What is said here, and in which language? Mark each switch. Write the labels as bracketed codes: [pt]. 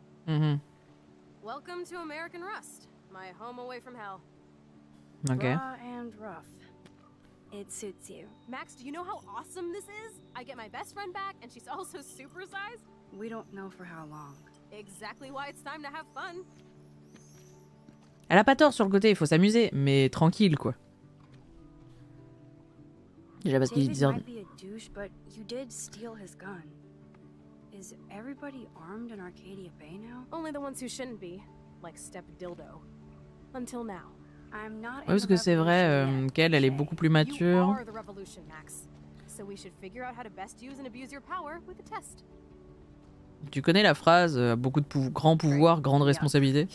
[en] Mm-hmm. Welcome to American Rust, my home away from hell. Okay. Raw and rough. It suits you. Max, do you know how awesome this is? I get my best friend back and she's also supersized. We don't know for how long. Exactly why it's time to have fun. [fr] Elle a pas tort sur le côté, il faut s'amuser, mais tranquille quoi. Déjà parce qu'il disait. [en] David might be a douche, but you did steal his gun. Is everybody armed in Arcadia Bay now? Only the ones who shouldn't be, like Step Dildo. Until now. I'm not. [fr] Ouais, parce que c'est vrai, qu'elle, elle est beaucoup plus mature. [en] You are the revolution, Max. So we should figure out how to best use and abuse your power with a test. [fr] Tu connais la phrase beaucoup de grand pouvoir, grande responsabilité.